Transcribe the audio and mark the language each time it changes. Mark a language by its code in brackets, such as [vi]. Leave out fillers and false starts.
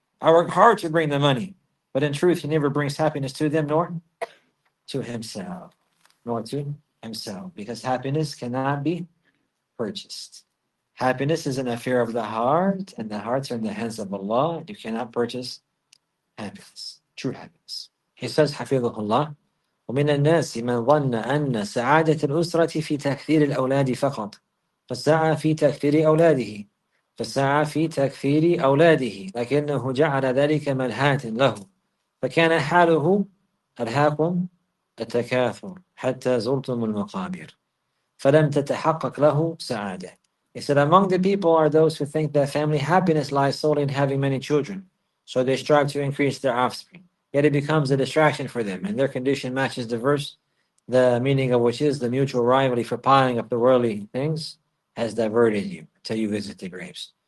[en] I work hard to bring the money. But in truth, he never brings happiness to them nor to himself. Nor to himself. Because happiness cannot be purchased. Happiness is an affair of the heart, and the hearts are in the hands of Allah. You cannot purchase happiness, true happiness. He says, [ar] Hafidhullah, وَمِنَ النَّاسِ مَنْ ظَنَّ أَنَّ سَعَادَةَ الْأُسْرَةِ فِي تَكْثِيرِ الْأَوْلَادِ فَقَطْ فَسَعَى فِي تَكْثِيرِ أَوْلَادِهِ فَسَعَى فِي تَكْثِيرِ أَوْلَادِهِ لَكِنَّهُ جَعَلَ ذَلِكَ مَلْهَاةً لَهُ فَكَانَ حَالُهُ أَلْهَاكُمْ التَّكَاثُرُ حَتَّى زُرْتُمُ الْمَقَابِرَ فَلَمْ تَتَحَقَّقْ لَهُ سَعَادَةٌ. [en] He said, among the people are those who think that family happiness lies solely in having many children. So they strive to increase their offspring. Yet it becomes a distraction for them, and their condition matches the verse, the meaning of which is the mutual rivalry for piling up the worldly things has diverted you till you visit the graves.